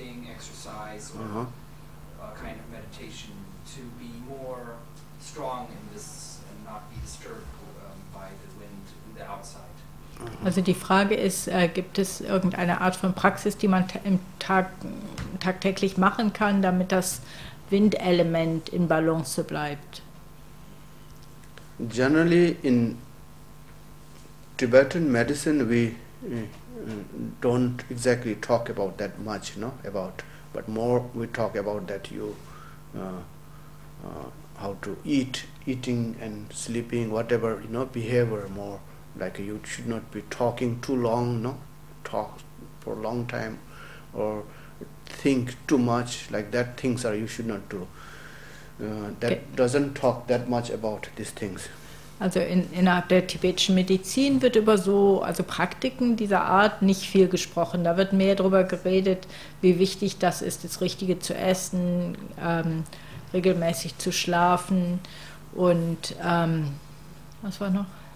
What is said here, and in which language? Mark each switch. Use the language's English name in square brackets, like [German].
[English] Exercise or uh-huh. A kind of meditation to be more strong in this and not be disturbed by the wind in the outside. [German] Also die Frage ist, gibt es irgendeine Art von Praxis, die man im Tag tagtäglich machen kann, damit das Windelement in Balance bleibt? [English] Generally in Tibetan medicine we don't exactly talk about that much, you know, about, but more we talk about that you how to eat, eating and sleeping, whatever, you know, behavior more. Like you should not be talking too long, no? Talk for a long time or think too much, like that things are you should not do. That doesn't talk that much about these things. [German] Also innerhalb der tibetischen Medizin wird über so, also Praktiken dieser Art nicht viel gesprochen. Da wird mehr darüber geredet, wie wichtig das ist, das Richtige zu essen, regelmäßig zu schlafen und was war noch?